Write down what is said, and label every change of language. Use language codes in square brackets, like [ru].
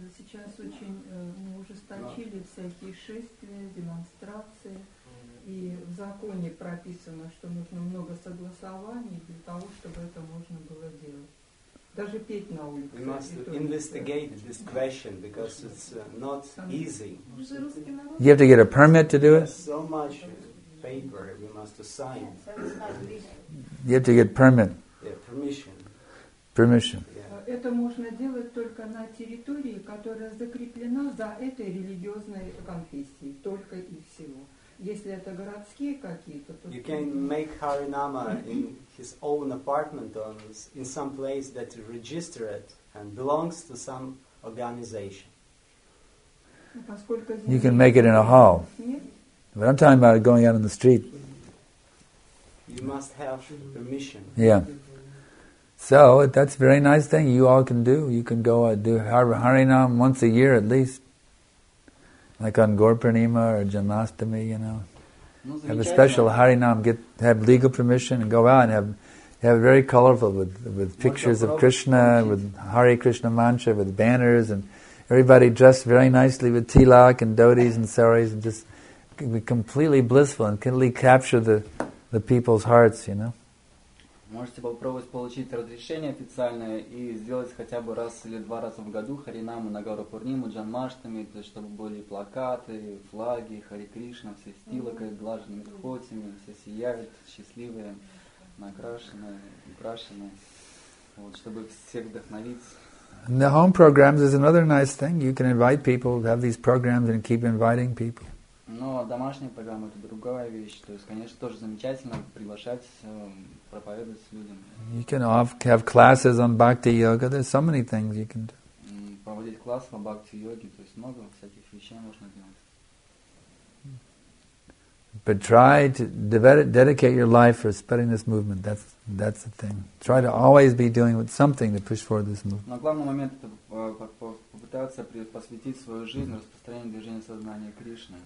[ru] Сейчас очень ужесточили всякие шествия, демонстрации. И в законе прописано, что нужно много согласований для того, чтобы это можно было делать. [en] We must investigate this question because it's not easy. You have to get a permit to do it? So much paper we must assign. So it's not legal. You have to get permit. Yeah, permission. Permission. [ru] Это можно делать только на территории, которая закреплена за этой религиозной конфессией, только и всего. Если это городские какие-то, то [en] you can make Harinama in his own apartment or in some place that is registered and belongs to some organization. You can make it in a hall. [ru] Нет? [en] But I'm talking about going out on the street. You must have permission. Yeah. So that's a very nice thing you all can do. You can go do Harinam once a year at least. Like on Gorpurnima or Janmashtami, you know. Have a special Harinam, get, have legal permission and go out and have very colorful with pictures of Krishna, with Hare Krishna mantra, with banners, and everybody dressed very nicely with tilak and dhotis and saris, and just be completely blissful and completely capture the people's hearts, you know. [ru] Можете попробовать получить разрешение официальное и сделать хотя бы раз или два раза в году Харинаму на Гаурапурниму, Джанмаштами, чтобы были плакаты, флаги, Хари Кришна, все с тилакой, глаженными дхотями, все сияют, счастливые, накрашенные, украшенные, вот, чтобы всех вдохновить. [en] And the home programs is another nice thing. You can invite people, have these programs and keep inviting people. [ru] Но домашние программы — это другая вещь. То есть, конечно, тоже замечательно приглашать, проповедовать людям. [en] You can have classes on bhakti yoga. There's so many things you can do. [ru] Проводить классы по бхакти йоге, то есть много всяких вещей можно делать. [en] But try to dedicate your life for spreading this movement. That's the thing. Try to always be doing something to push forward this movement. [ru] Но главный момент — это попытаться посвятить свою жизнь распространению движения сознания Кришны.